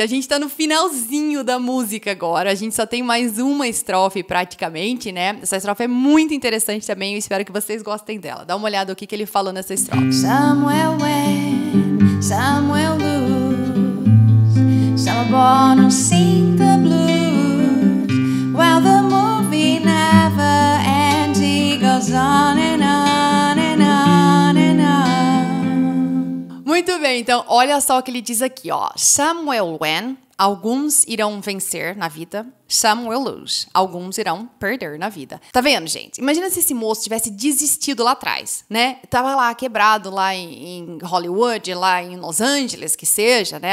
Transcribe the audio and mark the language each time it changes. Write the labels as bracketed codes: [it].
[pt] A gente tá no finalzinho da música agora. A gente só tem mais uma estrofe praticamente, né? Essa estrofe é muito interessante também. Eu espero que vocês gostem dela. Dá uma olhada o que ele falou nessa estrofe. [en] Somewhere where some will lose, some are born to sing the blues. While the movie never ends, he goes on and on and on and on. [pt] Muito bem, então olha só o que ele diz aqui, ó. [en] Some will win, [pt] alguns irão vencer na vida. [en] Some will lose, [pt] alguns irão perder na vida. Tá vendo, gente? Imagina se esse moço tivesse desistido lá atrás, né? Tava lá quebrado lá em Hollywood, lá em Los Angeles, que seja, né?